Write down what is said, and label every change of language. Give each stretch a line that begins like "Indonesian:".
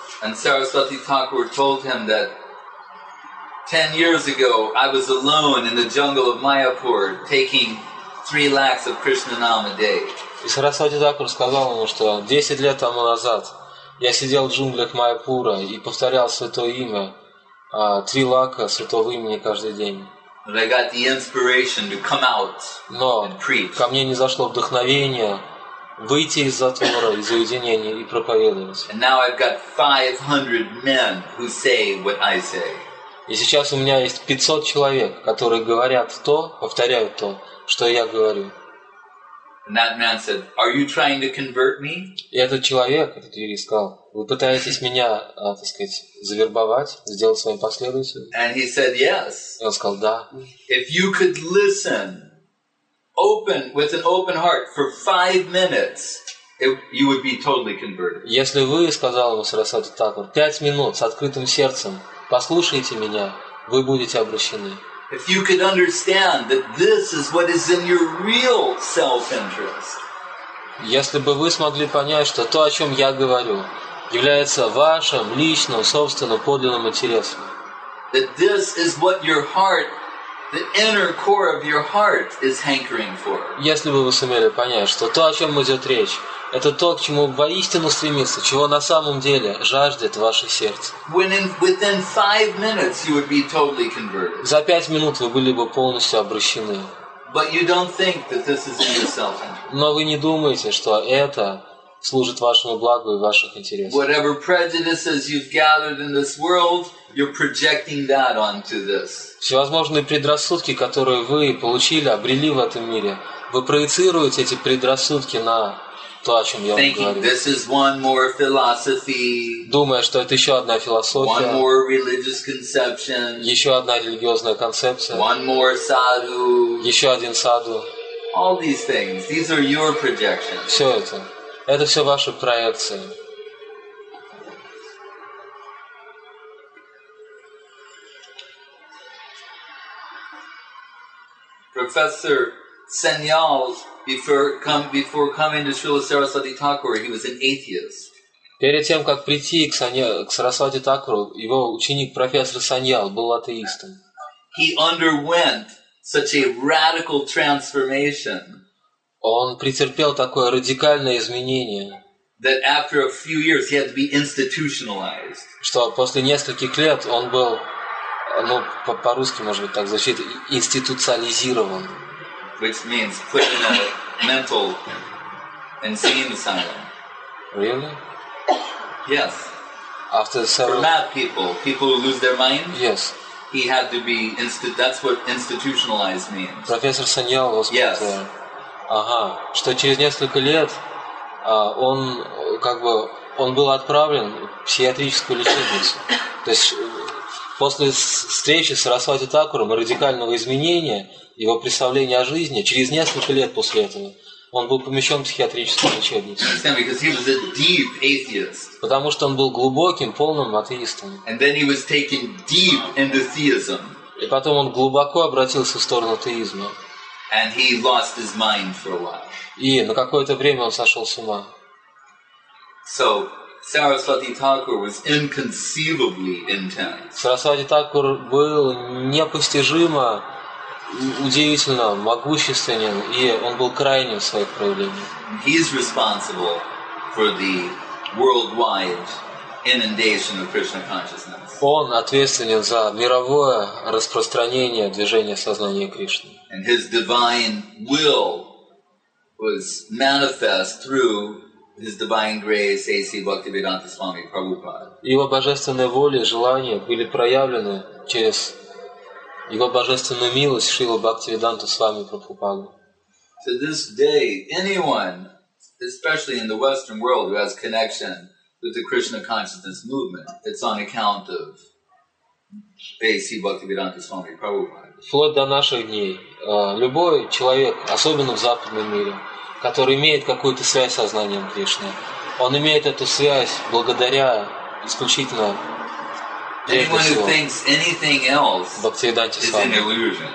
English: And Saraswati Thakur told him that 10 years ago I was alone in the jungle of Mayapur taking 3 lakhs of Krishna Nam a day.
Russian: И Сарасвати Такур сказал ему, что 10 лет тому назад я сидел в джунглях Майяпура и повторял святое имя 3 лакха святого имени каждый день.
English: But I got the inspiration to come out and preach.
Russian: Но ко мне не зашло вдохновение выйти из затвора, из уединения и проповедовать.
English: And now I've got 500 men who say what I say.
Russian: И сейчас у меня есть 500 человек, которые говорят то, повторяют то, что я говорю.
English: And that man said, "Are you trying to convert me?"
Russian: И этот человек, этот юрист, сказал, вы пытаетесь меня, так сказать, завербовать, сделать своим последователем?
English: And he said, "Yes."
Russian: И он сказал, да.
English: If you could listen open with an open heart for 5 minutes, you would be totally converted.
Russian: Если вы, сказал ему Сарасвати Такур, 5 минут с открытым сердцем послушайте меня, вы будете обращены.
English: If you could understand that this is what is in your real self-interest.
Russian: Если бы вы смогли понять, что то, о чем я говорю, является вашим личным, собственным, подлинным интересом.
English: That this is what your heart, the inner core of your heart is hankering for.
Russian: Если бы вы сумели понять, что то, о чем идет речь, это то, к чему воистину стремится, чего на самом деле жаждет ваше сердце.
English: When in, within 5 minutes you would be totally converted.
Russian: За 5 минут вы были бы полностью обращены.
English: But you don't think that this is in your self-interest.
Russian: Но вы не думаете, что это служит вашему благу и ваших интересам.
English: Whatever prejudices you've gathered in this world, you're projecting that onto this.
Russian: Всевозможные предрассудки, которые вы получили, обрели в этом мире, вы проецируете эти предрассудки на то, о чем я вам говорю.
English: This is one more philosophy.
Russian: Думая, что это еще одна философия.
English: One more religious conception.
Russian: Еще одна религиозная концепция.
English: One more sadhu.
Russian: Еще один саду.
English: All these things. These are your projections.
Russian: Все это. Это все ваши проекции.
English: Professor Sanyal, before coming to Srila Saraswati Thakur, he was an atheist.
Russian: Перед тем, как прийти к Сарасвати Такуру, его ученик, профессор Саньял, был атеистом.
English: He underwent such a radical transformation.
Russian: Он претерпел такое радикальное изменение,
English: that after a few years he had to be institutionalized.
Russian: Что после нескольких лет он был, ну, по-русски, может быть, так звучит, институциализирован.
English: Which means put in a mental insane asylum. Really? Yes. After several... For mad people, people who lose their mind? Yes. He had to be... that's what institutionalized means.
Russian: Профессор Саньял, господи...
English: Yes.
Russian: Ага, что через несколько лет он как бы он был отправлен в психиатрическую лечебницу. То есть после встречи с Сарасвати Такуром и радикального изменения его представления о жизни, через несколько лет после этого он был помещен в психиатрическую лечебницу.
English: Because he was a deep atheist.
Russian: Потому что он был глубоким, полным атеистом.
English: And then he was taken deep into theism.
Russian: И потом он глубоко обратился в сторону атеизма.
English: And he lost his mind for a while.
Russian: И на какое-то время он сошел с ума.
English: So, Saraswati Thakur was inconceivably intense.
Russian: Сарасвати Такур был непостижимо удивительно могущественен, и он был крайним в своих проявлениях.
English: He is responsible for the worldwide inundation of Krishna consciousness.
Russian: Он ответственен за мировое распространение движения сознания Кришны.
English: And his divine will was manifest through his divine grace, A.C. Bhaktivedanta Swami Prabhupada.
Russian: Его божественная воля и желания были проявлены через его божественную милость Шрила Бхактивиданта Свами Прабхупаду.
English: To this day, anyone, especially in the Western world, who has connection with the Krishna consciousness movement, it's on account of A.C. Bhaktivedanta Swami Prabhupada.
Russian: Вплоть до наших дней, любой человек, особенно в западном мире, который имеет какую-то связь с сознанием Кришны, он имеет эту связь благодаря исключительно Бхактивиданте Свами.